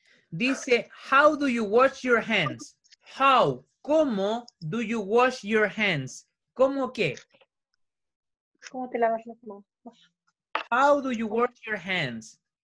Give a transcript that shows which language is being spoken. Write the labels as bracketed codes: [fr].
[es] Dice, [en] how do you wash your hands? How? [es] ¿Cómo [en] do you wash your hands? [es] ¿Cómo qué? ¿Cómo te lavas las manos? [en] How do you wash your hands?